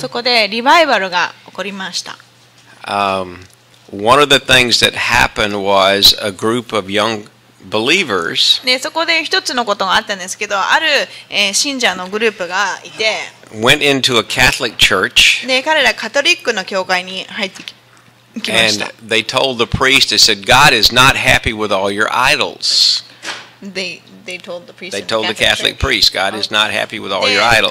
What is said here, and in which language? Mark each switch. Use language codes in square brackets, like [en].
[ja] そこでリバイバルが起こりました。 [en] One of the things that happened was a group of young believers. [ja] で、そこで一つのことがあったんですけど、ある、信者のグループがいて、 [en] Went into a Catholic church. [ja] で、彼らカトリックの教会に入ってきました。 [en] And they told the priest, they said, God is not happy with all your idols. They told the priest. They told the Catholic priest, God is not happy with all your idols.